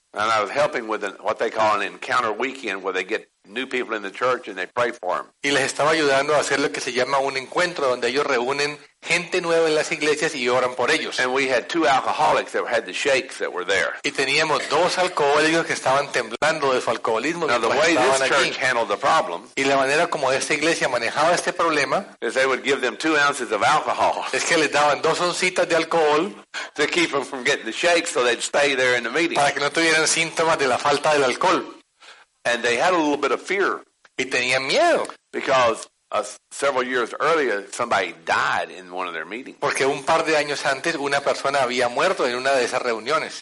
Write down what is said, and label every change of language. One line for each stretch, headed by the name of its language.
English: And I was helping with what they call an encounter weekend, where they get new people in the church and they pray for them.
Spanish: Y les estaba ayudando a hacer lo que se llama un encuentro, donde ellos reúnen gente nueva en las iglesias y oran por ellos.
English: And we had two alcoholics that had the shakes that were there.
Spanish: Y teníamos dos alcohólicos que estaban temblando de su alcoholismo.
English: Now the way this church handled the problem.
Spanish: Y la manera como esta iglesia manejaba este problema.
English: Is they would give them 2 ounces of alcohol.
Spanish: Es que les daban dos oncitas de alcohol.
English: To keep them from getting the shakes, so they'd stay there in the meeting.
Spanish: Para que no tuvieran síntomas de la falta del alcohol.
English: And they had a little bit of fear.
Spanish: Y tenían miedo.
English: Because several years earlier, somebody died in one of their meetings.
Spanish: Porque un par de años antes, una persona había muerto en una de esas reuniones.